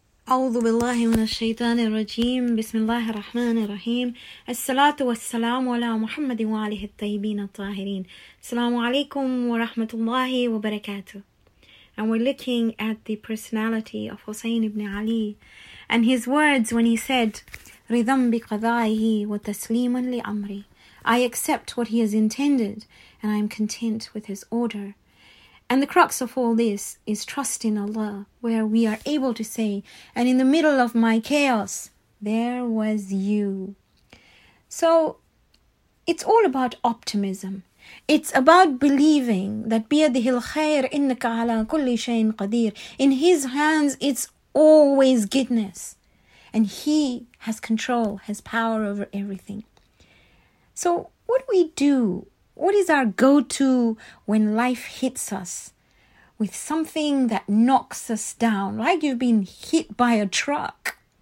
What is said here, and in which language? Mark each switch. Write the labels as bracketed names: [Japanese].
[Arabic] أعوذ بالله من الشيطان الرجيم. بسم الله الرحمن الرحيم. الصلاة والسلام على محمد وآله الطيبين الطاهرين. السلام عليكم ورحمة الله وبركاته. [English] And we're looking at the personality of Hussein ibn Ali and his words when he said, [Arabic] رِضًا بِقَضَائِهِ وَتَسْلِيمًا لِأَمْرِي. [English] I accept what he has intended and I am content with his order. And the crux of all this is trust in Allah, where we are able to say, and in the middle of my chaos, there was you. So it's all about optimism. It's about believing that [Arabic] بِيَدِهِ الْخَيْرِ إِنَّكَ عَلَىٰ كُلِّ شَيْءٍ قَدِيرٍ. [English] In his hands, it's always goodness. And he has control, has power over everything. So what do we do? What is our go-to when life hits us with something that knocks us down, like you've been hit by a truck?